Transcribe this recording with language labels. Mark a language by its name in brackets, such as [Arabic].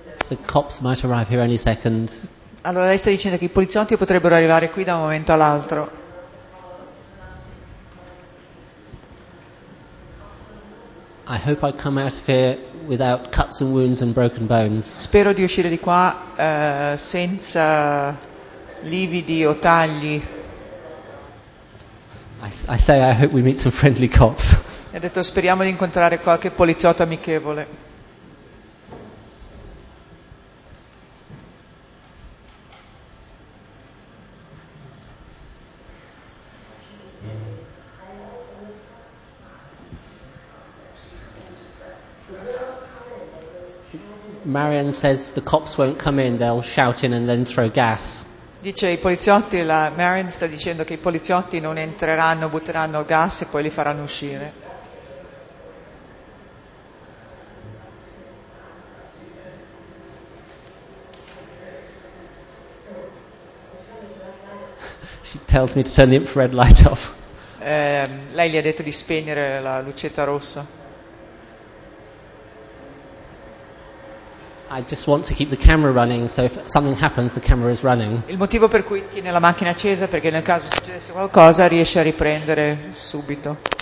[English] The cops might arrive here any second. [Italian] Allora lei sta dicendo che i poliziotti potrebbero arrivare qui da un momento all'altro. [English] I hope I come out of here without cuts and wounds and broken bones. [Italian] Spero di uscire di qua senza lividi o tagli. [English] I say I hope we meet some friendly cops. [Italian] Ha detto speriamo di incontrare qualche poliziotto amichevole. [English] Marianne says the cops won't come in, they'll shout in and then throw gas. [Italian] Dice i poliziotti, la Marianne sta dicendo che i poliziotti non entreranno, butteranno gas e poi li faranno uscire. [English] She tells me to turn the infrared light off. [Italian] Lei gli ha detto di spegnere la lucetta rossa. [English] I just want to keep the camera running, so if something happens, the camera is running. [Italian] Il motivo per cui tiene la macchina accesa perché nel caso succedesse qualcosa riesce a riprendere subito.